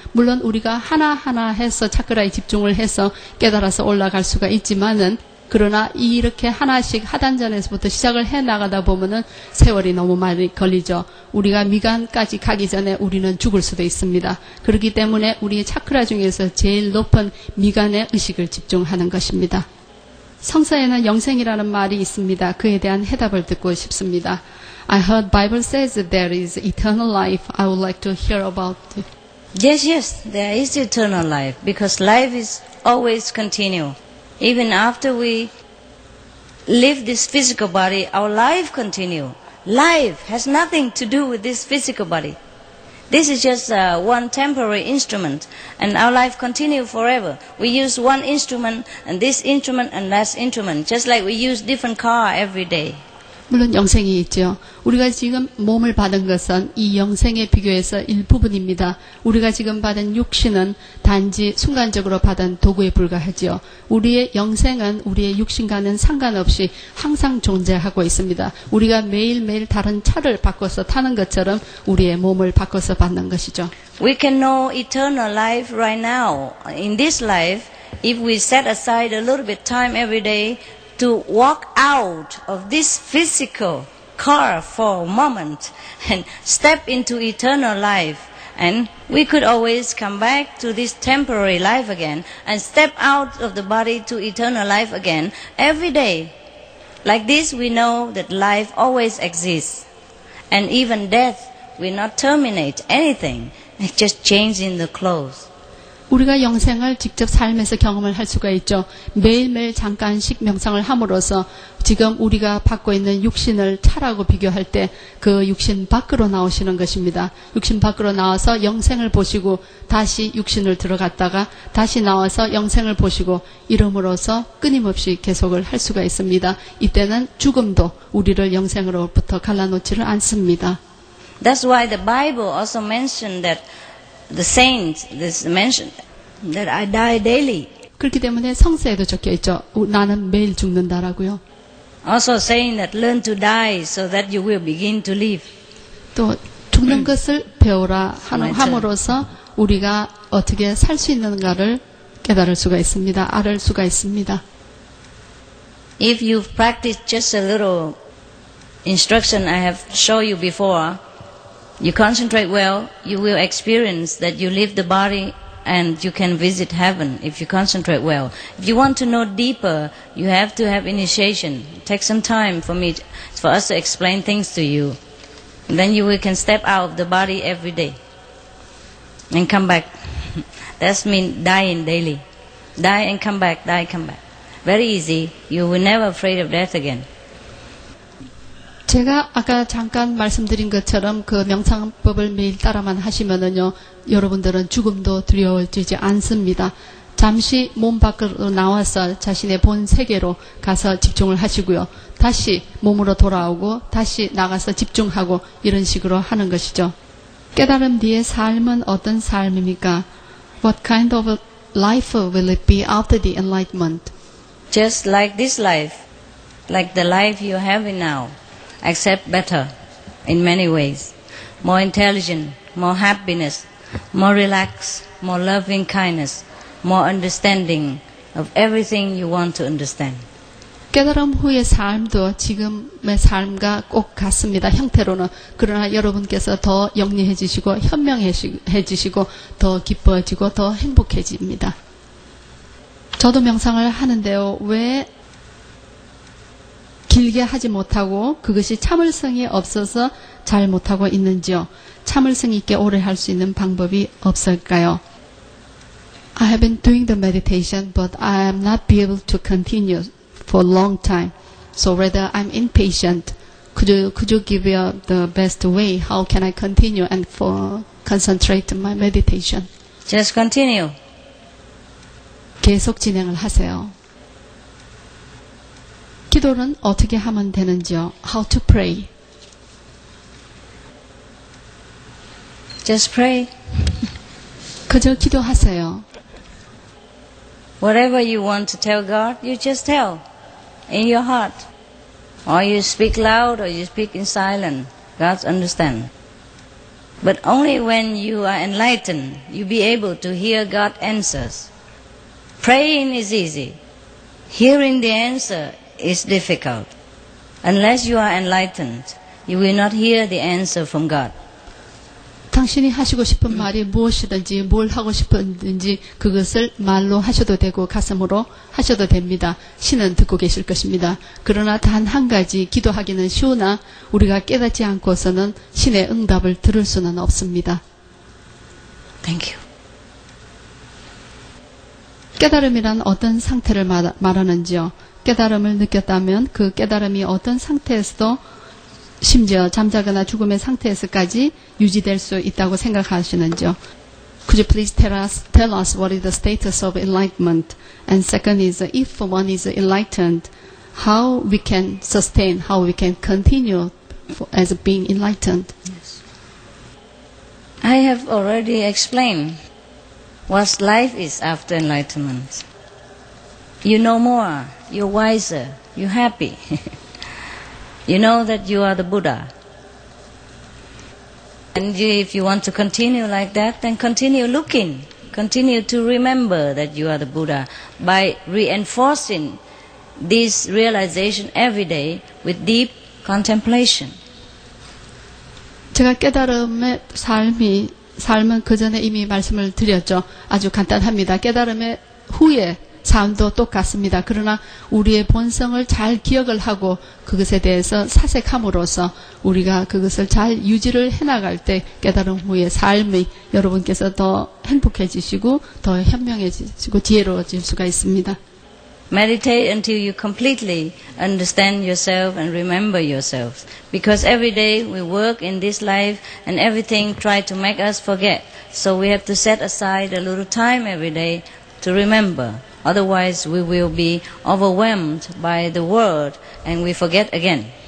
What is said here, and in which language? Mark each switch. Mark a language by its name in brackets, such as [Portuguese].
[Korean] 물론 우리가 하나하나 해서 차크라에 집중을 해서 깨달아서 올라갈 수가 있지만은 그러나 이렇게 하나씩 하단전에서부터 시작을 해나가다 보면은 세월이 너무 많이 걸리죠. 우리가 미간까지 가기 전에 우리는 죽을 수도 있습니다. 그렇기 때문에 우리의 차크라 중에서 제일 높은 미간의 의식을 집중하는 것입니다. 성서에는 영생이라는 말이 있습니다. 그에 대한 해답을 듣고 싶습니다. [English] I heard Bible says there is eternal life. I would like to hear about it. Yes, yes, there is eternal life because life is always continue. Even after we leave this physical body, our life continue. Life has nothing to do with this physical body. This is just one temporary instrument, and our life continues forever. We use one instrument, and this instrument, and that instrument, just like we use different car every day. [Korean] 물론 영생이 있죠. 우리가 지금 몸을 받은 것은 이 영생에 비교해서 일부분입니다. 우리가 지금 받은 육신은 단지 순간적으로 받은 도구에 불과하죠. 우리의 영생은 우리의 육신과는 상관없이 항상 존재하고 있습니다. 우리가 매일매일 다른 차를 바꿔서 타는 것처럼 우리의 몸을 바꿔서 받는 것이죠. [English] We can know eternal life right now. In this life, if we set aside a little bit time every day, to walk out of this physical car for a moment and step into eternal life. And we could always come back to this temporary life again and step out of the body to eternal life again every day. Like this, we know that life always exists. And even death will not terminate anything. It just changes in the clothes. [Korean] 우리가 영생을 직접 삶에서 경험을 할 수가 있죠. 매일매일 잠깐씩 명상을 함으로써 지금 우리가 받고 있는 육신을 차라고 비교할 때 그 육신 밖으로 나오시는 것입니다. 육신 밖으로 나와서 영생을 보시고 다시 육신을 들어갔다가 다시 나와서 영생을 보시고 이름으로써 끊임없이 계속을 할 수가 있습니다. 이때는 죽음도 우리를 영생으로부터 갈라놓지를 않습니다. [English] That's why the Bible also mentioned that the saints, this mentioned that I die daily. [Korean] 그렇기 때문에 성서에도 적혀 있죠. 나는 매일 죽는다라고요. [English] Also saying that learn to die so that you will begin to live. [Korean] 또 죽는 것을 배우라 함으로써 우리가 어떻게 살 수 있는가를 깨달을 수가 있습니다. 알을 수가 있습니다. [English] If you practice just a little instruction I have shown you before, you concentrate well, you will experience that you leave the body and you can visit heaven if you concentrate well. If you want to know deeper, you have to have initiation. Take some time for us to explain things to you. Then you can step out of the body every day and come back. That means dying daily. Die and come back, die and come back. Very easy. You will never be afraid of death again. [Korean] 제가 아까 잠깐 말씀드린 것처럼 그 명상법을 매일 따라만 하시면은요, 여러분들은 죽음도 두려워지지 않습니다. 잠시 몸 밖으로 나와서 자신의 본 세계로 가서 집중을 하시고요. 다시 몸으로 돌아오고 다시 나가서 집중하고 이런 식으로 하는 것이죠. 깨달음 뒤에 삶은 어떤 삶입니까? [English] What kind of life will it be after the enlightenment? Just like this life, like the life you're having now. Except better in many ways. More intelligent, more happiness, more relaxed, more loving kindness, more understanding of everything you want to understand. [Korean] 깨달음 후의 삶도 지금의 삶과 꼭 같습니다. 형태로는. 그러나 여러분께서 더 영리해지시고 현명해지시고 더 기뻐지고 더 행복해집니다. 저도 명상을 하는데요. 왜 길게 하지 못하고 그것이 참을성이 없어서 잘 못하고 있는지요? 참을성 있게 오래 할 수 있는 방법이 없을까요? [English] I have been doing the meditation, but I am not be able to continue for a long time. So rather, I'm impatient. Could you give me the best way? How can I continue and for concentrate my meditation? Just continue. [Korean] 계속 진행을 하세요. 기도는 어떻게 하면 되는지요? [English] How to pray? Just pray. [Korean] 그저 기도하세요. [English] Whatever you want to tell God, you just tell in your heart. Or you speak loud or you speak in silence. God understands. But only when you are enlightened, you be able to hear God's answers. Praying is easy. Hearing the answer is difficult. Unless you are enlightened, you will not hear the answer from God. [Korean] 당신이 하시고 싶은 말이 무엇이든지 뭘 하고 싶은지 그것을 말로 하셔도 되고 가슴으로 하셔도 됩니다. 신은 듣고 계실 것입니다. 그러나 단 한 가지 기도하기는 쉬우나 우리가 깨닫지 않고서는 신의 응답을 들을 수는 없습니다. [English] Thank you. [Korean] 깨달음이란 어떤 상태를 말하는지요? 깨달음을 느꼈다면 그 깨달음이 어떤 상태에서도 심지어 잠자거나 죽음의 상태에서까지 유지될 수 있다고 생각하시는지요? [English] Could you please tell us what is the status of enlightenment? And second is, if one is enlightened, how we can sustain, how we can continue for, as being enlightened? Yes. I have already explained what life is after enlightenment. You know more, you're wiser, you're happy. You know that you are the Buddha. And if you want to continue like that, then continue looking. Continue to remember that you are the Buddha by reinforcing this realization every day with deep contemplation. [Korean] 제가 깨달음의 삶이, 삶은 그 전에 이미 말씀을 드렸죠. 아주 간단합니다. 깨달음의 후에 삶도 똑같습니다. 그러나 우리의 본성을 잘 기억을 하고 그것에 대해서 사색함으로써 우리가 그것을 잘 유지를 해나갈 때 깨달음 후의 삶이 여러분께서 더 행복해지시고 더 현명해지시고 지혜로워질 수가 있습니다. [English] Meditate until you completely understand yourself and remember yourself. Because every day we work in this life and everything try to make us forget. So we have to set aside a little time every day to remember. Otherwise, we will be overwhelmed by the world and we forget again.